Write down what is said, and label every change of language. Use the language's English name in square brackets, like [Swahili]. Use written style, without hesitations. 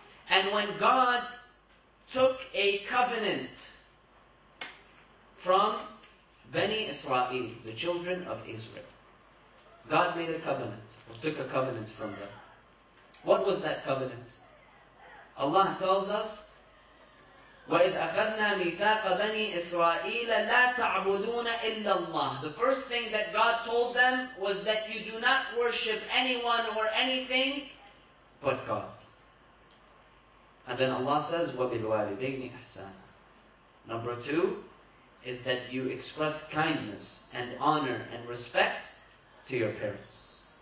[English] And when God took a covenant from Bani Israel, the children of Israel, God made a covenant, or took a covenant from them. What was that covenant? Allah tells us, [Arabic] وَإِذْ أَخَذْنَا مِيثَاقَ بَنِي إِسْرَائِيلَ لَا تَعْبُدُونَ إِلَّا اللَّهِ. [English] The first thing that God told them was that you do not worship anyone or anything but God. And then Allah says, [Arabic] وَبِالْوَالِدَيْنِ أَحْسَانًا. [English] Number two is that you express kindness and honor and respect to your parents.